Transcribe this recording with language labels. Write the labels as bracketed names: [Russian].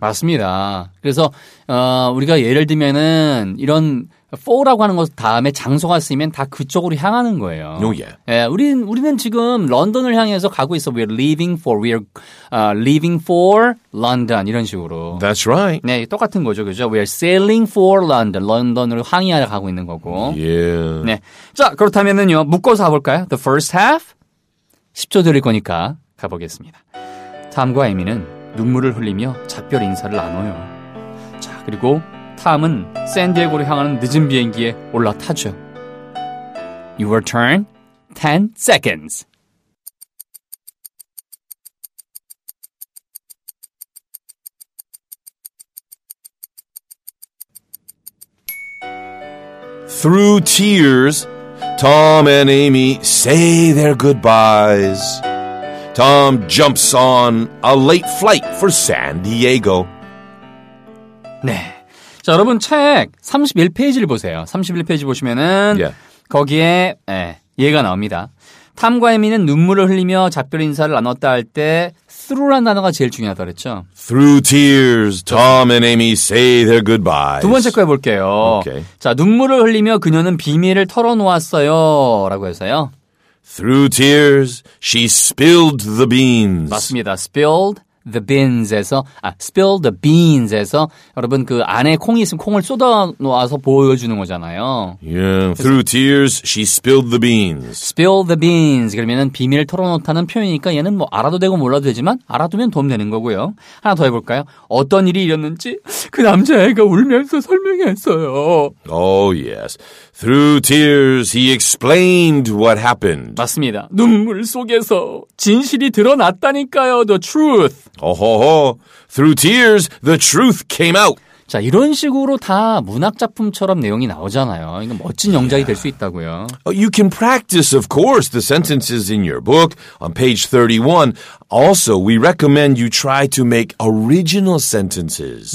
[Korean] 맞습니다. 그래서 우리가 예를 들면은 이런 for라고 하는 것 다음에 장소가 쓰이면 다 그쪽으로 향하는 거예요. [English] Oh, yeah. [Korean] 예, 우리는 지금 런던을 향해서 가고 있어. [English] We're leaving for, we're leaving for London [Korean] 이런 식으로. [English] That's right. [Korean] 네, 똑같은 거죠, 그죠? [English] We're sailing for London. [Korean] 런던으로 항해하러 가고 있는 거고. [English] Yeah. [Korean] 네, 자 그렇다면은요 묶어서 가볼까요? [English] The first half [Korean] 10초 드릴 거니까 가보겠습니다. 탐과 에미는 눈물을 흘리며 작별 인사를 나눠요. 자 그리고 탐은 샌디에고로 향하는 늦은 비행기에 올라타죠. [English] Your turn, 10 seconds. Through tears, Tom and Amy say their goodbyes. Tom jumps on a late flight for San Diego. [Korean] 네. 자, 여러분 책 31페이지를 보세요. 31페이지 보시면은 [English] yeah. [Korean] 거기에 예, 얘가 나옵니다. 탐과 에미는 눈물을 흘리며 작별 인사를 나눴다 할 때 through라는 단어가 제일 중요하다고 그랬죠. [English] Through tears, Tom and Amy say their goodbyes. [Korean] 두 번째 거 해볼게요. [English] Okay. [Korean] 자, 눈물을 흘리며 그녀는 비밀을 털어놓았어요. 라고 해서요. [English] Through tears, she spilled the beans. [Korean] 맞습니다. Spilled. The beans에서, 아, [English] spill the beans [Korean] 에서, 여러분, 그 안에 콩이 있으면 콩을 쏟아 놓아서 보여주는 거잖아요. [English] Yeah, through tears, she spilled the beans. Spill the beans. [Korean] 그러면은 비밀을 털어놓다는 표현이니까 얘는 뭐 알아도 되고 몰라도 되지만 알아두면 도움 되는 거고요. 하나 더 해볼까요? 어떤 일이 일었는지 그 남자애가 울면서 설명했어요. [English] Oh, yes. Through tears, he explained what happened. [Korean] 맞습니다. 눈물 속에서 진실이 드러났다니까요. [English] The truth. Oh, oh, oh. Through tears, the truth came out. [Korean] 자, 이런 식으로 다 문학 작품처럼 내용이 나오잖아요. 이거 멋진 영작이 [English] yeah. [Korean] 될 수 있다고요. [English] You can practice, of course, the sentences in your book on page 31. Also, we recommend you try to make original sentences.